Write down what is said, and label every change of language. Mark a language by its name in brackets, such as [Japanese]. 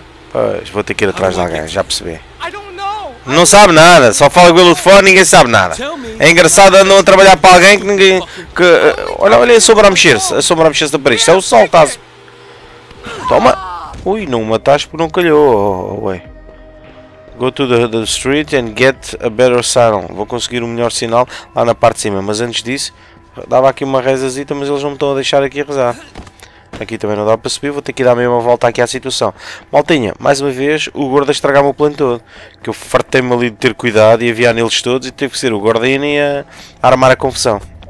[Portuguese] Pois, vou ter que ir atrás de alguém, já percebi. Não sabe nada, só fala com ele de fora e ninguém sabe nada. É engraçado andam a trabalhar para alguém que ninguém. Que, olha, olha a sombra a mexer-se. A sombra a mexer-se da parede. Isto é o sol, estás. Toma! Ui, não mataste porque não calhou. Ué. [English] Go to the street and get a better sign. [Portuguese] Vou conseguir um melhor sinal lá na parte de cima. Mas antes disso, dava aqui uma rezazita, mas eles não me estão a deixar aqui rezar. Aqui também não dá para subir, vou ter que dar a mesma volta aqui à situação. Maltinha, mais uma vez o gordo a estragar-me o plano todo. Que eu fartei-me ali de ter cuidado e aviar neles todos e teve que ser o gordinho a armar a confusão.